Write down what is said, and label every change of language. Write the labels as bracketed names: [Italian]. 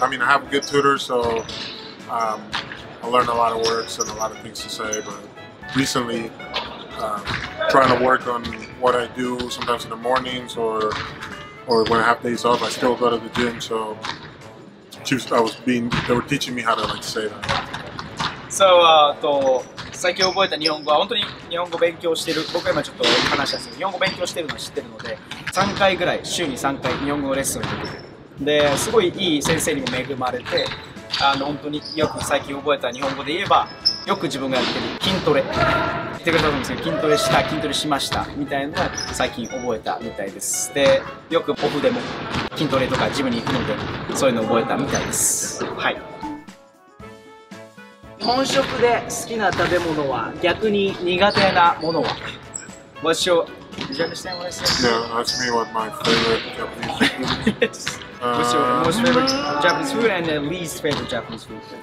[English] I mean, I have a good tutor, so I learned a lot of words and a lot of things to say. But recently, trying to work on what I do sometimes in the mornings or when I have days off, I still go to the gym. So they were teaching me how to like say that. So, to... [Japanese] 最近覚えた日本語は、本当に日本語勉強してる、僕今ちょっと話したんですけど、日本語勉強してるのは知ってるので、3回ぐらい、週に3回日本語のレッスンを受けてる。で、すごいいい先生にも恵まれて、本当によく最近覚えた日本語で言えば、よく自分がやってる筋トレ、言ってくれたと思うんですけど、筋トレした、筋トレしましたみたいなのを最近覚えたみたいです。で、よくオフでも筋トレとかジムに行くので、そういうのを覚えたみたいです。はい。日本食で好きな食べ物は、逆に苦手なものは。 [English] What's your... Did you understand what I said? Yeah, ask me what my favorite Japanese food is. What's your most favorite Japanese food and least favorite Japanese food?